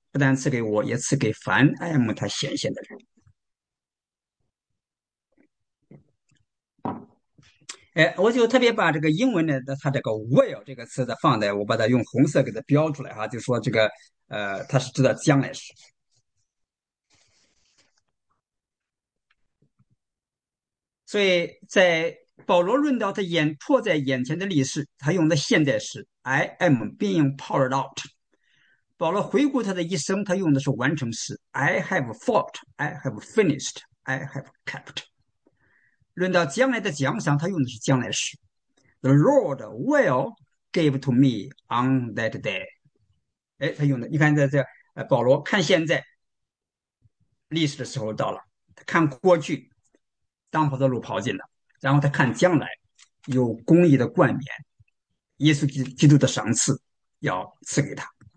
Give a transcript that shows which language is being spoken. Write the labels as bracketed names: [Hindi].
[Chinese] 不但赐给我，也赐给凡爱慕他显现的人。哎，我就特别把这个英文的它这个 will 这个词的放在，我把它用红色给它标出来哈，就说这个它是指的将来时。所以在保罗论到他眼迫在眼前的历史，他用的现在时 [English] I am being poured out。 [Chinese] 保罗回顾他的一生，他用的是完成时： [English] I have fought, I have finished, I have kept。 [Chinese] 论到将来的奖赏，他用的是将来时： [English] The Lord will give to me on that day。 [Chinese] 哎，他用的，你看在这，保罗看现在，历史的时候到了，他看过去，当跑的路跑尽了，然后他看将来，有公义的冠冕，耶稣基督的赏赐要赐给他。